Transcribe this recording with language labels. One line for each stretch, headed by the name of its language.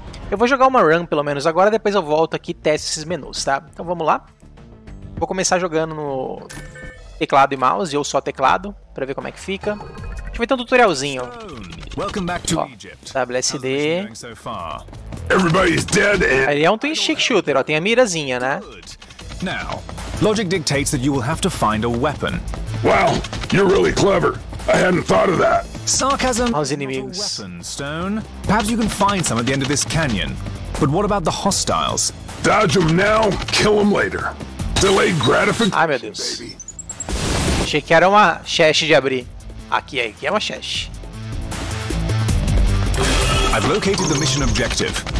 Portuguese: Eu vou jogar uma run pelo menos agora, depois eu volto aqui e testo esses menus, tá? Então vamos lá. Vou começar jogando no teclado e mouse, ou só teclado, pra ver como é que fica. Deixa eu ver, tem um tutorialzinho.
English: Welcome back to Egypt. WSD. Everybody's dead.
Portuguese: Ele é um twin stick shooter, ó, tem a mirazinha, né?
English: Now, logic dictates that you will have to find a weapon. Wow, you're really clever. I hadn't thought of that. Sarcasm.
Portuguese: Aos inimigos.
English: Weapon, stone. Perhaps you can find some at the end of this canyon. But what about the hostiles? Dodge them now, kill them later. Delayed gratification.
Portuguese: Ai, meu Deus.
English: Baby.
Portuguese: Achei que era uma chest de abrir. Aqui é uma chest.
English: I've located the mission objective.